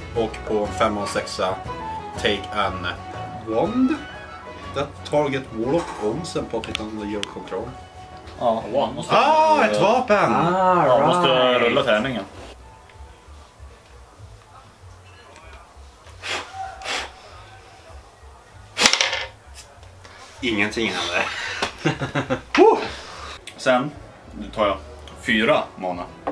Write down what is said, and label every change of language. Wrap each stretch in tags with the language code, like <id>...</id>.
<sv>Och på en femma och sexa,</sv> <en>take an wand. That target warlock owns and pop it under your control. Ah,</en> <sv>ah, ett vapen!</sv> <en>Right.</en> <sv>Jag måste rulla tärningen. Ingenting händer. Sen, nu tar jag 4 mana.</sv>